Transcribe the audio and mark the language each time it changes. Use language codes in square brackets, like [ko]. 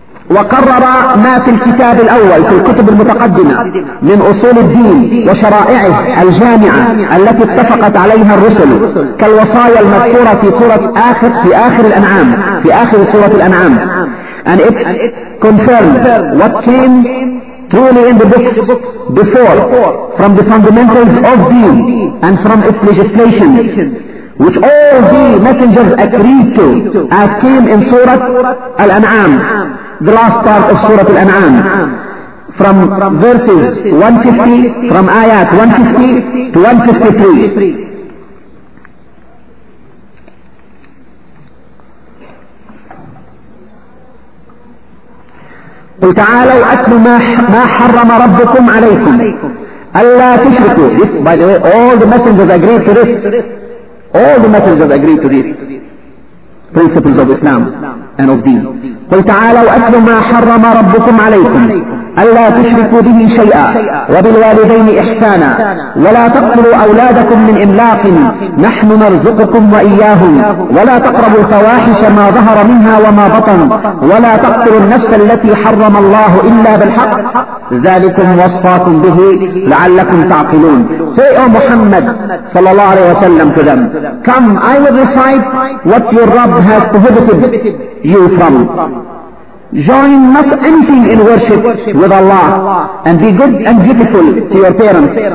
[ar] وقرر ما في الكتاب الأول, في الكتب المتقدمة من أصول الدين وشرائعه الجامعة التي اتفقت عليها الرسل كالوصايا المذكورة في سورة آخر, في آخر الأنعام, في آخر سورة الأنعام. [en] And it confirmed what came truly in the books before, from the fundamentals of deen and from its legislation, which all the messengers agreed to, as came in Surah Al-An'am, the last part of Surah Al-An'am, from verses 150, from ayat 150 to 153. [ar] قل تعالوا أكل ما حرم ربكم عليكم ألا تشركوا. [en] This, by the way, all the messengers agreed to this. All the messengers agreed to this principles of Islam and of Deen. [ar] قل تعالوا أكل ما حرم ربكم عليكم ألا تشركوا به شيئا وبالوالدين إحسانا ولا تقتلوا أولادكم من إملاق نحن نرزقكم وإياهم ولا تقربوا الفواحش ما ظهر منها وما بطن ولا تقتلوا النفس التي حرم الله إلا بالحق ذلكم وصاكم به لعلكم تعقلون. [en] Say, O Muhammad [ar] صلى الله عليه وسلم [en] to them, come, I will recite what your Rabb has prohibited you from. Join not anything in worship with Allah, and be good and dutiful to your parents.